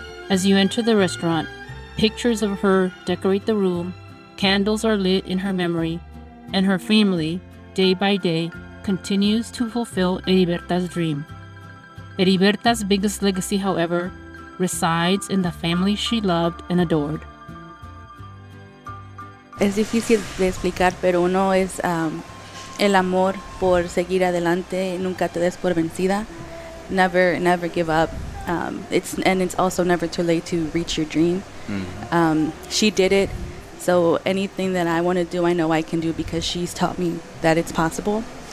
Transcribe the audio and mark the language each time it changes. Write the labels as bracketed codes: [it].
[en] As you enter the restaurant, pictures of her decorate the room, candles are lit in her memory, and her family, day by day, continues to fulfill Heriberta's dream. Heriberta's biggest legacy, however, resides in the family she loved and adored. [es] Es difícil de explicar, pero uno es el amor por seguir adelante, nunca te des por vencida. [en] Never give up. It's also never too late to reach your dream. Mm-hmm. She did it, so anything that I want to do, I know I can do because she's taught me that it's possible.